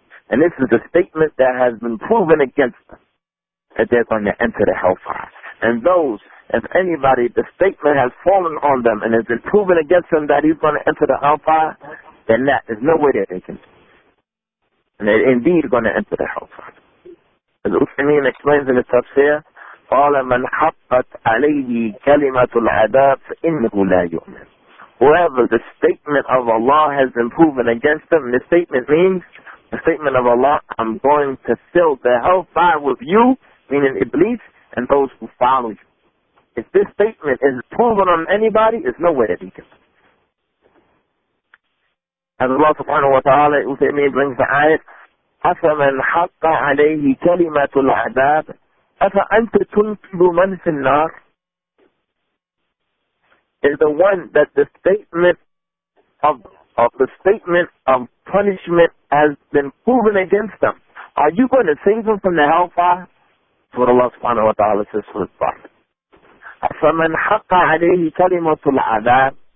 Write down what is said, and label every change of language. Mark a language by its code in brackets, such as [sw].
[en] And this is the statement that has been proven against them, that they're going to enter the hellfire. And those, if anybody, the statement has fallen on them and has been proven against them that he's going to enter the hellfire, then that, there's no way that they can. And they're indeed going to enter the hellfire. As Uthman explains in the tafsir, [ar] قَالَ مَنْ حَقَّتْ عَلَيْهِ كَلِمَةُ الْعَذَابِ فَإِنَّهُ لَا يُؤْمِنُ. [en] Whoever the statement of Allah has been proven against them, and the statement means, the statement of Allah, I'm going to fill the hellfire with you, meaning Iblis, and those who follow you. If this statement is proven on anybody, there's no way that they can. As Allah subhanahu wa ta'ala, Uthaymeen brings the ayat, [ar] أَفَمَنْ حَقَّ عَلَيْهِ كَلِمَةُ الْعَذَابِ أَفَأَنْتَ تُنْكِلُ مَنْ فِي النَّارِ. [en] Is the one that the statement of of the statement of punishment has been proven against them. Are you going to save them from the hellfire? That's what Allah subhanahu wa ta'ala says to his prophet. [ar] فَمَنْ حَقَّ عَلَيْهِ كَلِمَةُ الْعَذَابِ.